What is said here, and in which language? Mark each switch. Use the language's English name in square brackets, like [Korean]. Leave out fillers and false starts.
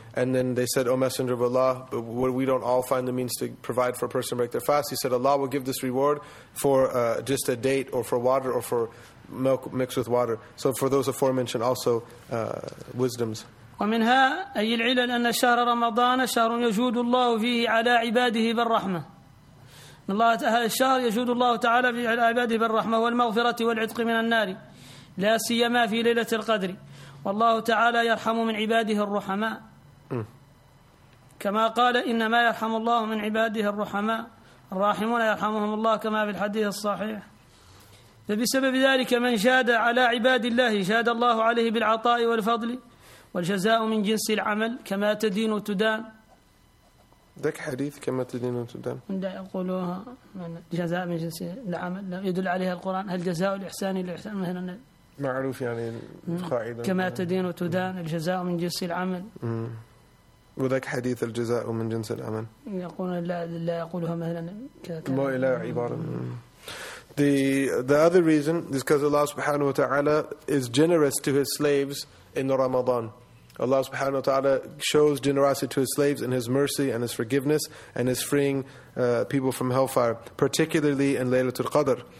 [English] And then they said, O Messenger of Allah, but we don't all find the means to provide for a person to break their fast. He said, Allah will give this reward for just a date or for water or for milk mixed with water. So for those aforementioned also wisdoms. [Arabic] ومنها أي العلل أن شهر رمضان شهر يجود الله فيه على عباده بالرحمة. الله تعالى الشهر يجود الله تعالى في العباد بالرحمة والمغفرة والعتق من النار لا سيما في ليلة القدر والله تعالى يرحم من عباده الرحماء كما قال إنما يرحم الله من عباده الرحماء الراحمون يرحمهم الله كما في الحديث الصحيح فبسبب ذلك من جاد على عباد الله جاد الله عليه بالعطاء والفضل والجزاء من جنس العمل كما تدين تدان ذاك حديث كما تدين تدان عند يقولوها من جزاء من جنس العمل يدل عليها القرآن هل جزاء الإحسان الإحسان مثلا معروف يعني قاعدة كما تدين تدان الجزاء من جنس العمل وذاك حديث الجزاء من جنس العمل يقول لا يقولها مثلا ما إلى عبارة [English] The other reason is because Allah subhanahu wa ta'ala is generous to His slaves in Ramadan. Allah subhanahu wa ta'ala shows generosity to His slaves in His mercy and His forgiveness and His freeing people from hellfire, particularly in Laylatul Qadr.